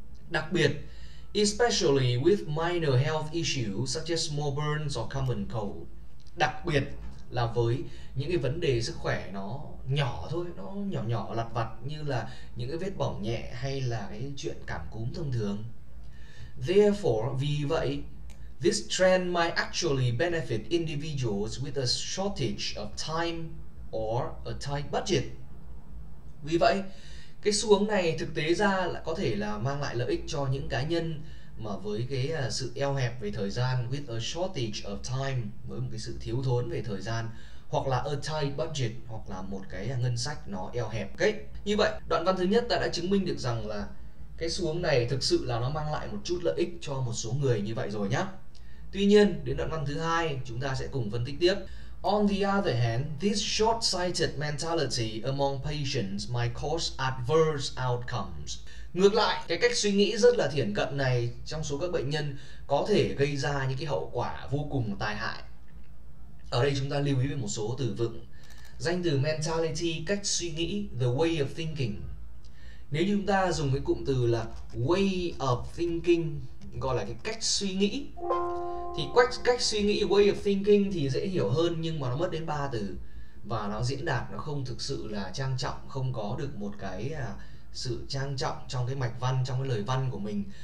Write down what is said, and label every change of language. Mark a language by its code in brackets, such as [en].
[vi] Đặc biệt, [en] especially with minor health issues such as small burns or common cold. [vi] Đặc biệt là với những cái vấn đề sức khỏe nó nhỏ thôi, nó nhỏ nhỏ lặt vặt như là những cái vết bỏng nhẹ hay là cái chuyện cảm cúm thông thường. [en] Therefore, [vi] vì vậy, [en] this trend might actually benefit individuals with a shortage of time or a tight budget. [vi] Vì vậy, cái xu hướng này thực tế ra là có thể là mang lại lợi ích cho những cá nhân mà với cái sự eo hẹp về thời gian, [en] with a shortage of time, [vi] với một cái sự thiếu thốn về thời gian, hoặc là [en] a tight budget, [vi] hoặc là một cái ngân sách nó eo hẹp. Okay. Như vậy, đoạn văn thứ nhất ta đã chứng minh được rằng là cái xu hướng này thực sự là nó mang lại một chút lợi ích cho một số người như vậy rồi nhá. Tuy nhiên, đến đoạn văn thứ hai chúng ta sẽ cùng phân tích tiếp. [en] On the other hand, this short-sighted mentality among patients might cause adverse outcomes. [vi] Ngược lại, cái cách suy nghĩ rất là thiển cận này trong số các bệnh nhân có thể gây ra những cái hậu quả vô cùng tai hại. Ở đây chúng ta lưu ý về một số từ vựng. Danh từ mentality, cách suy nghĩ, [en] the way of thinking. [vi] Nếu như chúng ta dùng cái cụm từ là way of thinking, gọi là cái cách suy nghĩ, thì cách suy nghĩ, way of thinking thì dễ hiểu hơn, nhưng mà nó mất đến 3 từ và nó diễn đạt nó không thực sự là trang trọng, không có được một cái sự trang trọng trong cái mạch văn, trong cái lời văn của mình.